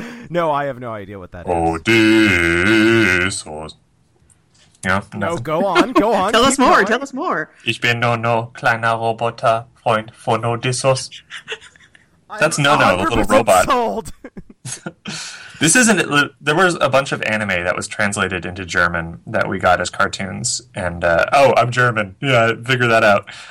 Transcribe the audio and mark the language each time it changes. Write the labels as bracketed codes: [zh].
[en] No, I have no idea what that is. Odysseus. Yeah, no, go on. Tell us more, tell us more. [de] Ich bin NONO, kleiner Roboter, Freund von Odysseus. [en] That's NONO, the little robot. Sold. This isn't. There was a bunch of anime that was translated into German that we got as cartoons. And I'm German. Yeah, figure that out.